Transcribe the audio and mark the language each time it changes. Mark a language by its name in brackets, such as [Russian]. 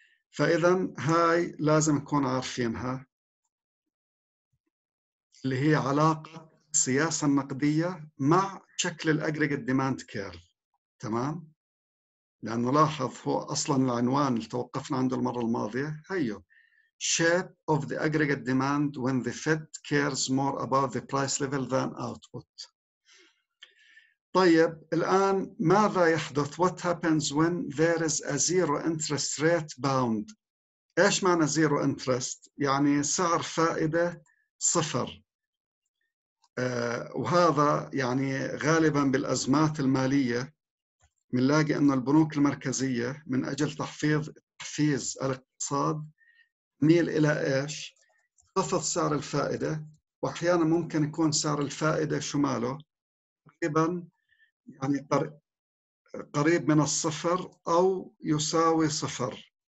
[Arabic] فإذا هاي لازم نكون عارفينها، اللي هي علاقة السياسة النقدية مع شكل الأجريجت ديماند كيرف، تمام؟ لأنه لاحظ هو أصلاً العنوان اللي توقفنا عنده المرة الماضية هيو [English] Shape of the aggregate demand when the Fed cares more about the price level than output. [Arabic] طيب الآن ماذا يحدث؟ [English] What happens when there is a zero interest rate bound؟ [Arabic] إيش معنى zero interest؟ يعني سعر فائدة صفر. وهذا يعني غالباً بالأزمات المالية منلاقي أن البنوك المركزية من أجل تحفيز الاقتصاد ميل إلى إيش؟ خفض سعر الفائدة، وأحياناً ممكن يكون سعر الفائدة شماله تقريباً يعني قريب من الصفر أو يساوي صفر.